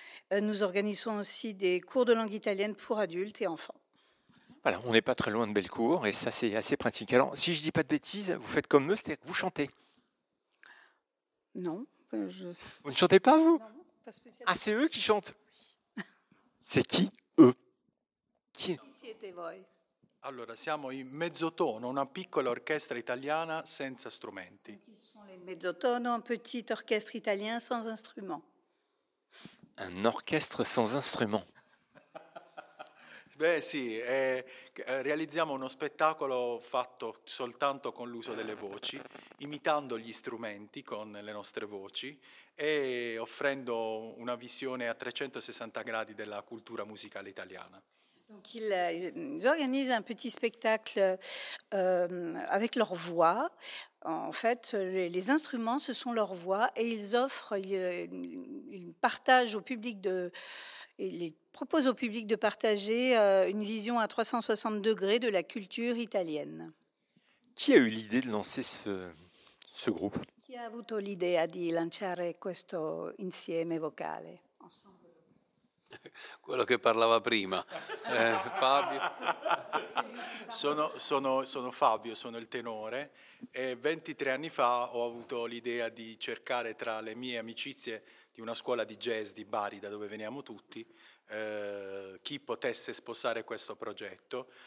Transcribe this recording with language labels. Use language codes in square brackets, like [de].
[fr] Nous organisons aussi des cours de langue italienne pour adultes et enfants. Voilà, on n'est pas très loin de Bellecour et ça c'est assez pratique. Alors, si je dis pas de bêtises, vous faites comme eux, c'est-à-dire que vous chantez. Non. Vous ne chantez pas, vous? Non, pas spécialement. Ah, c'est eux qui chantent? Oui. C'est qui, eux? Qui? [it] Allora, siamo in mezzotono, una piccola orchestra italiana senza strumenti. [fr] Qui sont les mezzotono, un petit orchestre italien sans instrument. Un orchestre sans instrument. [it] Beh sì, realizziamo uno spettacolo fatto soltanto con l'uso delle voci, imitando gli strumenti con le nostre voci e offrendo una visione a 360 gradi della cultura musicale italiana. [fr] Donc ils organisent un petit spectacle avec leur voix. En fait, les instruments, ce sont leurs voix et ils partagent au public de... Ils proposent au public de partager une vision à 360 degrés de la culture italienne. Qui a eu l'idée de lancer ce groupe? [it] Qui a avuto l'idea di lanciare questo insieme vocale? Quello che parlava prima, Fabio. Sono Fabio, sono il tenore. E 23 anni fa ho avuto l'idea di cercare tra le mie amicizie di una scuola di jazz di Bari, da dove veniamo tutti, chi potesse sposare questo progetto.